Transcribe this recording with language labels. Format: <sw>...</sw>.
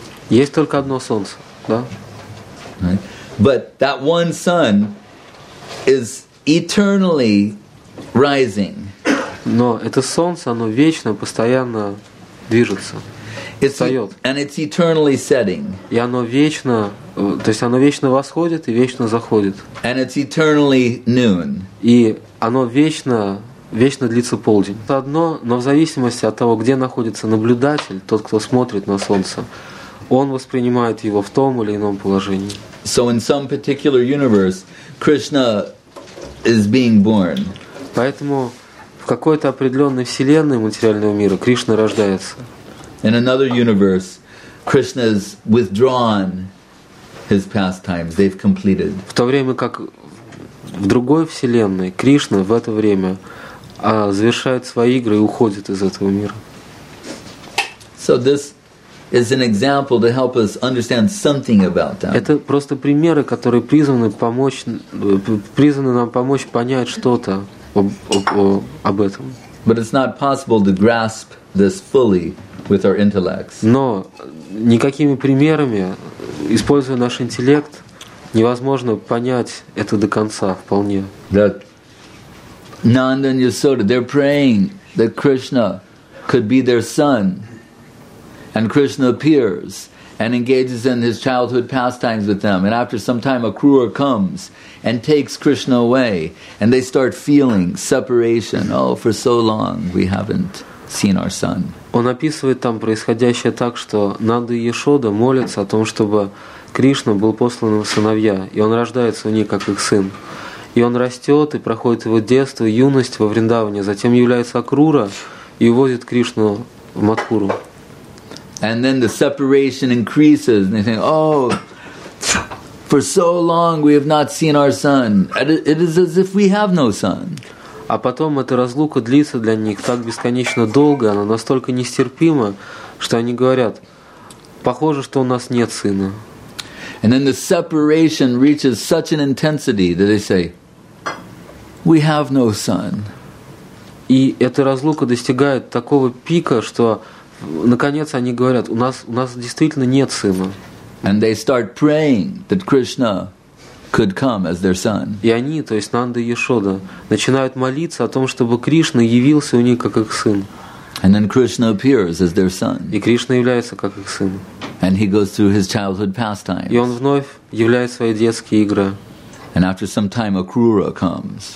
<ru>Есть только одно солнце, да?</ru> <en>But that one sun is eternally rising.</en> <ru>Но это солнце, оно вечно, постоянно движется.</ru> <en>And it's eternally setting.</en> <ru>И оно вечно, то есть оно вечно восходит и вечно заходит.</ru> <en>And it's eternally noon.</en> <ru>И оно вечно, вечно длится полдень. Это одно, но в зависимости от того, где находится наблюдатель, тот, кто смотрит на солнце, он воспринимает его в том или ином положении.</ru> <en>So in some particular universe, Krishna is being born.</en> <ru>Поэтому в какой-то определенной вселенной материального мира Кришна рождается.</ru> <en>In another universe, Krishna has withdrawn his pastimes. They've completed.</en> <ru>В то время как в другой вселенной Кришна в это время завершает свои игры и уходит из этого мира.</ru> <en>So this is an example to help us understand something about that.</en> <ru>Это просто примеры, которые призваны нам помочь понять что-то об этом.</ru> <en>But it's not possible to grasp this fully with our intellects.</en> <ru>Но никакими примерами, используя наш интеллект, невозможно понять это до конца вполне.</ru> <en>That Nanda and Yasoda, they're praying that Krishna could be their son, and Krishna appears and engages in his childhood pastimes with them, and after some time a Krura comes and takes Krishna away, and they start feeling separation. Oh, for so long we haven't seen our son.</en> <ru>Он описывает там происходящее так, что Нанда и Яшода молятся о том, чтобы Кришна был послан им в сыновья, и он рождается у них как их сын. И он растет, и проходит его детство, юность во Вриндаване, затем является Акрура и увозит Кришну в Матхуру.</ru> <en>And then the separation increases, and they think, oh, for so long we have not seen our son. It is as if we have no son.</en> <ru>А потом эта разлука длится для них так бесконечно долго, она настолько нестерпима, что они говорят, похоже, что у нас нет сына.</ru> <en>And then the separation reaches such an intensity that they say, we have no son.</en> <ru>И эта разлука достигает такого пика, что наконец они говорят, у нас действительно нет сына.</ru> <en>And they start praying that Krishna could come as their son.</en> <ru>И они, то есть Нанда и Яшода, начинают молиться о том, чтобы Кришна явился у них как их сын.</ru> <en>And then Krishna appears as their son.</en> <ru>И Кришна является как их сын.</ru> <en>And he goes through his childhood pastimes.</en> <ru>И он вновь являет свои детские игры.</ru> <en>And after some time, Akrura comes.</en>